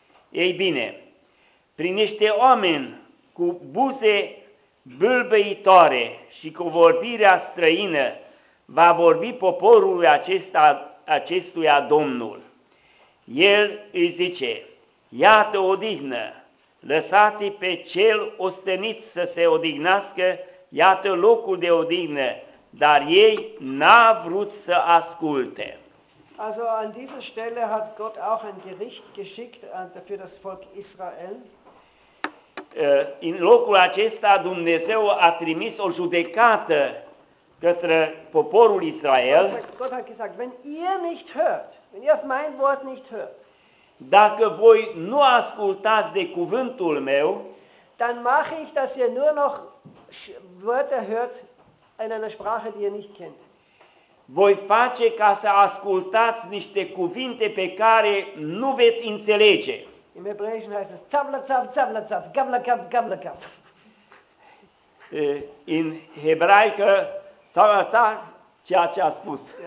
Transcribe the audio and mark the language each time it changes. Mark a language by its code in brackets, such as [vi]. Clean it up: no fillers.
[ro] Ei bine, prin niște oameni cu buze bâlbăitoare și cu vorbirea străină va vorbi poporul acestuia Domnul. El îi zice, iată odihnă, lăsați pe cel ostenit să se odihnească, iată locul de odihnă, dar ei n-a vrut să asculte. [de] Also an dieser Stelle hat Gott auch ein Gericht geschickt für das Volk Israel. [ro] în locul acesta Dumnezeu a trimis o judecată către poporul Israel. [de] Gott hat gesagt, wenn ihr nicht hört, wenn ihr auf mein Wort nicht hört. [ro] Dacă voi nu ascultați de cuvântul meu, [de] dann mache ich, dass ihr nur noch Wörter hört in einer Sprache, die ihr nicht kennt. [ro] Voi face ca să ascultați niște cuvinte pe care nu veți înțelege. [de] Im Hebräischen heißt es zavlazav, zavlazav, gavlakav, gavlakav. [ro] In Hebraică zavlazav, ceea ce a spus.